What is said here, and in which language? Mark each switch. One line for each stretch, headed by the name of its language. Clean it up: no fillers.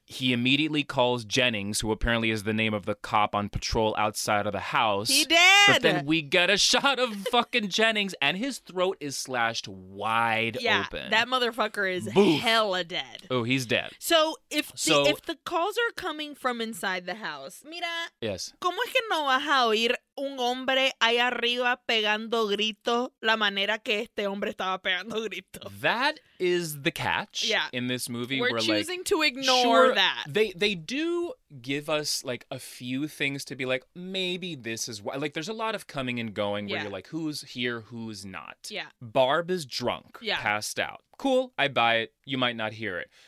English: He immediately calls Jennings, who apparently is the name of the cop on patrol outside of the house. He did. But then we get a shot of fucking Jennings, and his throat is slashed wide open. Yeah, that motherfucker is hella dead. Oh, he's dead. So if the calls are coming from inside the house,
Spanish: mira.
English: Yes.
Spanish: ¿Cómo es que no vas a oír un hombre ahí arriba pegando grito la manera que este hombre estaba pegando grito?
English: That is the catch in this movie. We're choosing like, to ignore sure, that. They do give us like a few things to be like, maybe this is why. Like there's a lot of coming and going where you're like, who's here, who's not? Yeah. Barb is drunk, passed out. Cool, I buy it. You might not hear it.